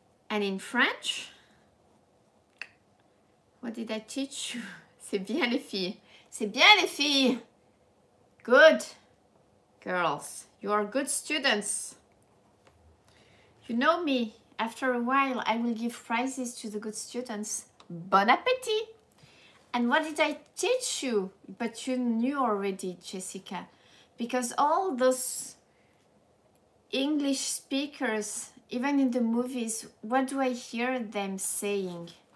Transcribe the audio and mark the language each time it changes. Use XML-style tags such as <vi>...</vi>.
<en>And in French, what did I teach you?</en> <fr>C'est bien les filles. C'est bien les filles. Good.</fr> <en>Girls, you are good students. You know me, after a while I will give prizes to the good students. Bon appétit! And what did I teach you? But you knew already, Jessica. Because all those English speakers, even in the movies, what do I hear them saying?</en>